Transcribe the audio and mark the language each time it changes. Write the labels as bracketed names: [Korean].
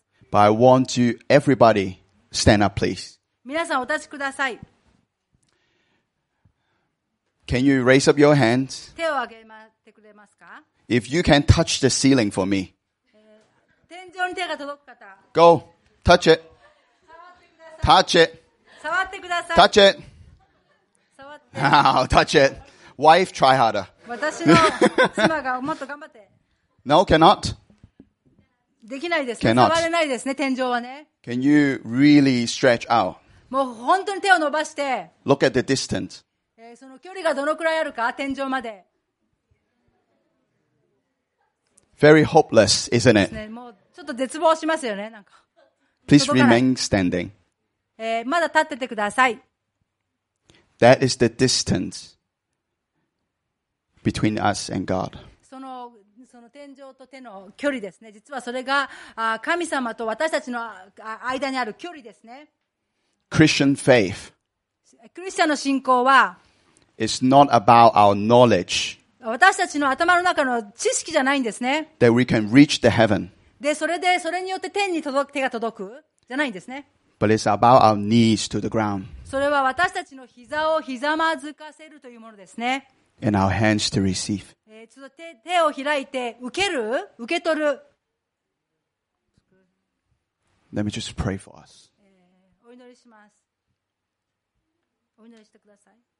[English] But I want you, everybody, stand up, please. [Japanese] 皆さんお立ちください。 [English] Can you raise up your hands? [Japanese] 手を挙げてくれますか? [English] If you can touch the ceiling for me. [Japanese] 天井に手が届く方。 [English] Go, touch it. Touch it. [Japanese] 触ってください。 [English] Touch it. [Japanese] 触って。 [English] Oh, touch it. Wife, try harder. [Japanese] 私の妻がもっと頑張って。 [English] No, cannot. [Japanese] できないですね。 [English] Cannot. [Japanese] 触れないですね、天井はね。 [English] Can you really stretch out? [Japanese] もう本当に手を伸ばして。 [English] Look at the distance. [Japanese] その距離がどのくらいあるか、天井まで。 [English] Very hopeless, isn't it? [Japanese] もうちょっと絶望しますよね、なんか。 [English] Please remain standing. [Japanese] まだ立っててください。 [English] That is the distance between us and God. [Japanese] その天井と手の距離ですね。実はそれが神様と私たちの間にある距離ですね。 [English] Christian faith [Japanese] クリスチャンの信仰は [English] It's not about our knowledge [Japanese] 私たちの頭の中の知識じゃないんですね。 [English] That we can reach the heaven. [Japanese] で、それで、それによって天に届く、手が届くじゃないんですね。 [English] But it's about our knees to the ground. [Japanese] それは私たちの膝をひざまずかせるというものですね。 [English] And our hands to receive. [Japanese] ちょっと 手を開いて、受ける? 受け取る。 [English] Let me just pray for us. [Japanese] お祈りします。お祈りしてください。